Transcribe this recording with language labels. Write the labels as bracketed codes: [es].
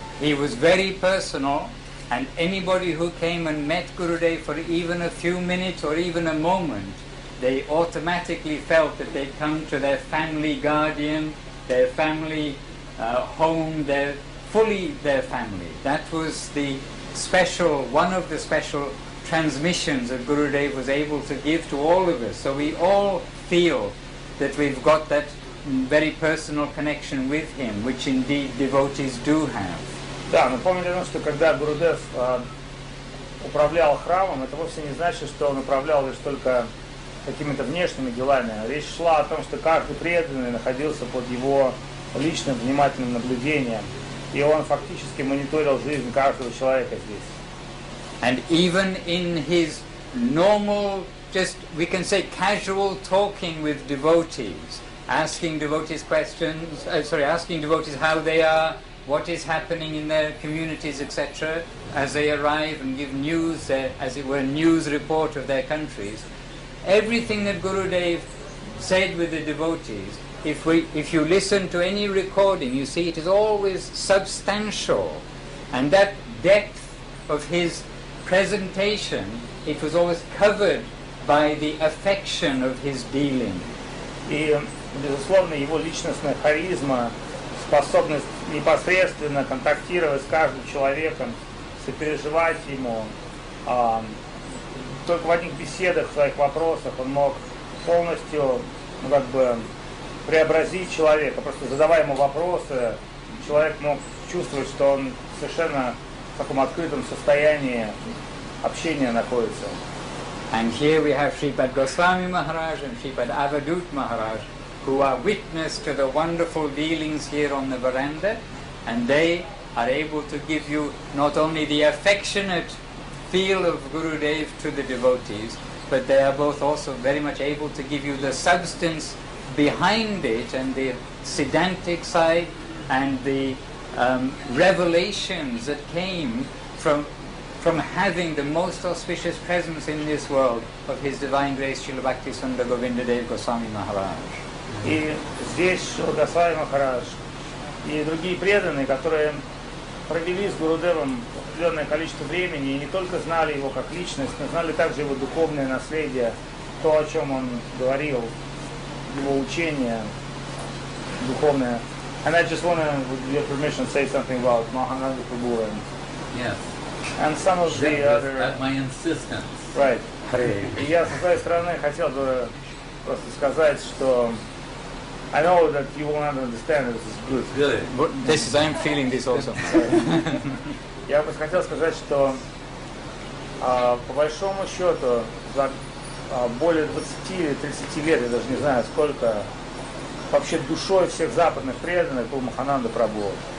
[en] He was very personal, and anybody who came and met Gurudev for even a few minutes or even a moment, they automatically felt that they'd come to their family guardian, their family home, their fully their family. That was the special, one of the special transmissions that Gurudev was able to give to all of us. So we all feel that we've got that very personal connection with him, which indeed devotees do have. [ru] Да, мы помним, что когда Гурудев управлял храмом, это вовсе не значит, что он управлял лишь только какими-то внешними делами. Речь шла о том, что каждый преданный находился под его личным внимательным наблюдением, и он фактически мониторил жизнь каждого человека здесь. [en] And even in his normal, just we can say casual talking with devotees, asking devotees questions, asking devotees how they are, what is happening in their communities, etc., as they arrive and give news, as it were, news report of their countries. Everything that Gurudev said with the devotees, if you listen to any recording, you see it is always substantial. And that depth of his presentation, it was always covered by the affection of his dealing. [ru] И, безусловно, его личностная харизма, способность непосредственно контактировать с каждым человеком, сопереживать ему, только в одних беседах, в своих вопросах он мог полностью, ну, как бы, преобразить человека, просто задавая ему вопросы, человек мог чувствовать, что он совершенно в таком открытом состоянии общения находится. [en] And here we have Shripad Goswami Maharaj and Shripad Avadhut Maharaj, who are witness to the wonderful dealings here on the veranda, and they are able to give you not only the affectionate feel of Gurudev to the devotees, but they are both also very much able to give you the substance behind it and the Siddhantic side and the revelations that came from having the most auspicious presence in this world of His Divine Grace Srila Bhakti Sundar Govinda Dev Goswami Maharaj. [ru] И здесь Шрила Госвами Махарадж и другие преданные, которые провели с Гурудевом определенное количество времени и не только знали его как личность, но знали также его духовное наследие, то, о чем он говорил, его учение духовное. [en] And I just want to, with your permission, say something about Mahananda Prabhu and, yes. And some of the other... At my insistence. Right. [ru] Я, со своей стороны, хотел бы просто сказать, что... [en] I know that you will not understand this is good. Really? But this is, I'm feeling this also. [ru] Я бы хотел сказать, что, по большому счету, за более 20 или 30 лет, я даже не знаю сколько, вообще душой всех западных преданных был Махананда Прабху.